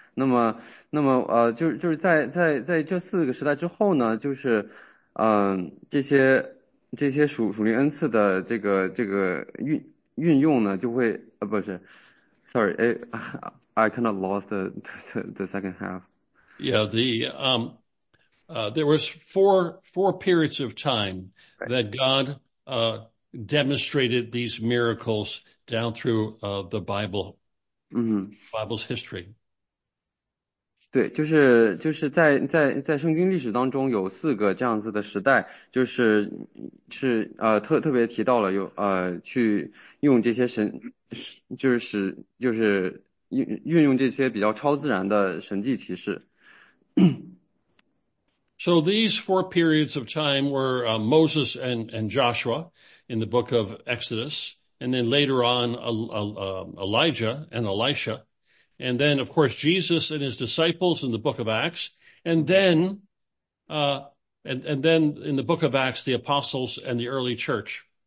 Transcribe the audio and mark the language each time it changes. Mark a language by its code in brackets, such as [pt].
[zh] 那么就是在这四个时代之后呢，就是这些属灵恩赐的这个运用呢，就会不是， [en] sorry，I kind of lost the second half。 Yeah, there was four periods of time that God demonstrated these miracles down through the Bible's history. [zh] 对，就是在圣经历史当中有四个这样子的时代，就是特别提到了去用这些神，就是使就是运用这些比较超自然的神迹奇事。 [en] So these four periods of time were Moses and Joshua in the book of Exodus, and then later on Elijah and Elisha, and then of course Jesus and his disciples in the book of Acts, and then in the book of Acts the apostles and the early church.